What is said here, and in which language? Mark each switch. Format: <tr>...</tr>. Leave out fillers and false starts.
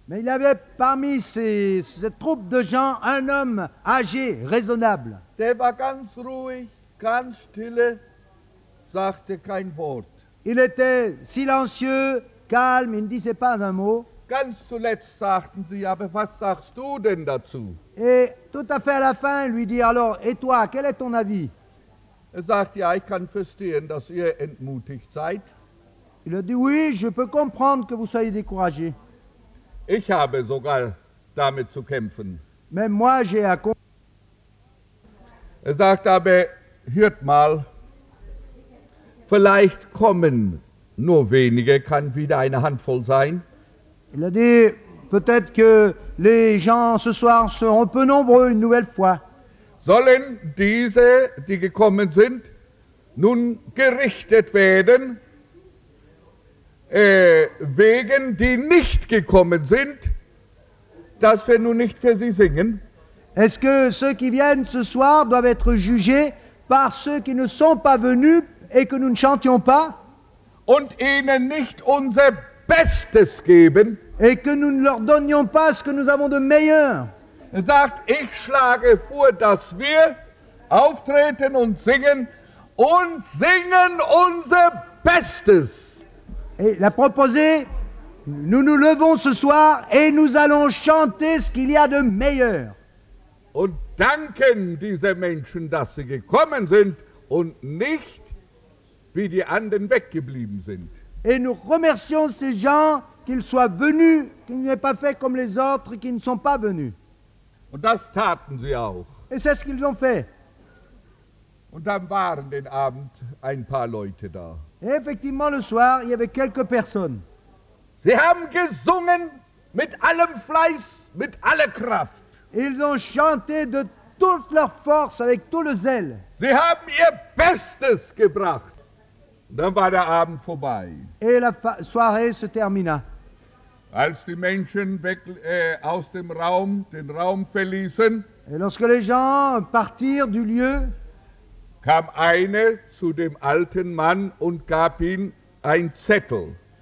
<fr>Mais il y avait parmi cette troupe de gens un homme âgé, raisonnable.</fr> <de>Der war ganz ruhig, ganz stille, sagte kein Wort.</de> <fr>Il était silencieux, calme, il ne disait pas un mot.</fr> <de>Ganz zuletzt sagten sie, aber was sagst du denn dazu?</de> <fr>Et tout à fait à la fin, lui dit, alors, et toi, quel est ton avis?</fr> <de>Er sagt, ja, ich kann verstehen, dass ihr entmutigt seid.</de> <fr>Il a dit, oui, je peux comprendre que vous soyez découragé.</fr> <de>Ich habe sogar damit zu kämpfen.</de> <fr>Même moi, j'ai à</fr> <de>Er sagt, aber hört mal, vielleicht kommen nur wenige, kann wieder eine Handvoll sein.</de> <fr>Il a dit, peut-être que les gens ce soir seront peu nombreux une nouvelle fois.</fr> <de>Sollen diese, die gekommen sind, nun gerichtet werden, wegen die nicht gekommen sind, dass wir nun nicht für sie singen?</de> <fr>Est-ce que ceux qui viennent ce soir doivent être jugés par ceux qui ne sont pas venus et que nous ne chantions pas?</fr> <de>Und ihnen nicht unser Bestes geben?</de> <fr>Et que nous ne leur donnions pas ce que nous avons de meilleur.</fr> <de>Er sagt, ich schlage vor, dass wir auftreten und singen unser Bestes.</de> <fr>Et il a proposé, nous nous levons ce soir et nous allons chanter ce qu'il y a de meilleur.</fr> <de>Und danken diese Menschen, dass sie gekommen sind und nicht wie die anderen weggeblieben sind.</de> <fr>Et nous remercions ces gens qu'ils soient venus, qu'ils n'aient pas fait comme les autres, qui ne sont pas venus.</fr> <de>Und das taten sie auch.</de> <fr>Et c'est ce qu'ils ont fait.</fr> <de>Und dann waren den Abend ein paar Leute da.</de> <fr>Effectivement, le soir, il y avait quelques personnes.</fr> <de>Sie haben gesungen mit allem Fleiß, mit aller Kraft.</de> <fr>Ils ont chanté de toute leur force, avec tout le zèle.</fr> <de>Sie haben ihr Bestes gebracht. Dann war der Abend vorbei.</de> <fr>Et la soirée se termina.</fr> <de>Als die Menschen aus dem Raum, den Raum verließen,</de> <fr>et lorsque les gens partirent du lieu,</fr> <de>kam eine zu dem alten Mann und gab ihm ein Zettel.</de>